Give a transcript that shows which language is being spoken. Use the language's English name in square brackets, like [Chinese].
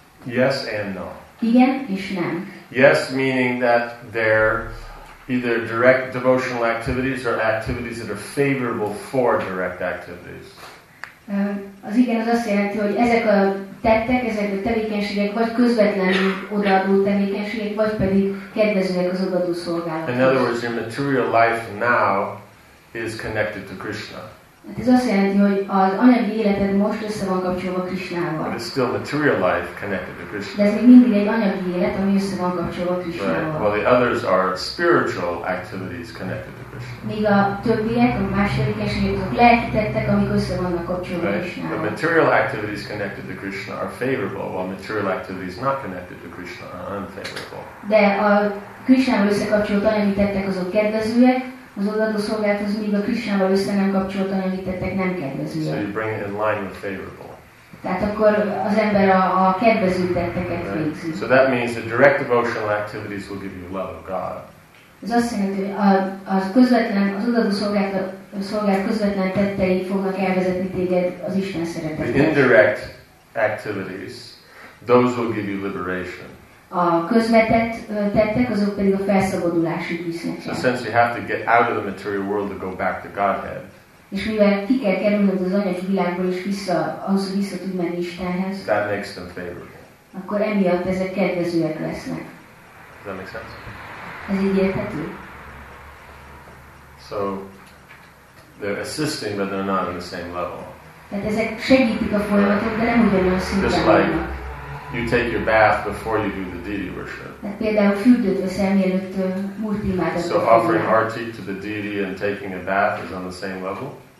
[English] Yes and no. [Hungarian] Igen és nem. [English] Yes, meaning that they're either direct devotional activities or activities that are favorable for direct activities. [Hungarian] Az igen az azt jelenti, hogy ezek a tettek, ezek a tevékenységek vagy közvetlen odaadó tevékenységek, vagy pedig kedvezőek az odaadó szolgálatok. [English] In other words, your material life now is connected to Krishna. [Hungarian] Hát ez azt jelenti, hogy az anyagi életed most össze van kapcsolva Krishnával. [English] But it's still material life connected to Krishna. [Hungarian] De ez még mindig egy anyagi élet, ami össze van kapcsolva Krishnával. [English] Right. Well, the others are spiritual activities connected to Krishna. [Hungarian] Míg a többiek, a más tevékenységek, lelki tettek, amik össze vannak kapcsolva Krishnával. [English] The material activities connected to Krishna are favorable, while material activities not connected to Krishna are unfavorable. [Hungarian] De a Krishnával összekapcsolt anyagi tettek azok kedvezőek, az odaadó szolgálathoz még a Krisnával össze nem kapcsolatban említettek nem kedvezőek. [English] So you bring it in line with favorable. [Hungarian] Tehát akkor az ember a kedvező tetteket végzi. [English] Right. So that means the direct devotional activities will give you love of God. [Hungarian] Ez azt jelenti, hogy az odaadó szolgálat közvetlen tettei fognak elvezetni téged az Isten szeretetet. [English] The indirect activities, those will give you liberation. [Hungarian] A közvetett tettek, azok pedig a felszabadulási visznek. [English] So since you have to get out of the material world to go back to Godhead. [Hungarian] És mivel ki kell kerülnöd az anyagi világból is vissza, ahhoz, hogy vissza tud menni Istenhez. [English] That makes them favorable. [Hungarian] Akkor emiatt ezek kedvezőek lesznek. [English] Does that make sense? [Hungarian] Ez így érthető? [English] So, they're assisting, but they're not on the same level. [Hungarian] Tehát ezek segítik a folyamatot, de nem ugyanolyan szinten. [English] Just like you take your bath before you do the deity worship. So offering arti to the deity and taking a bath is on the same level?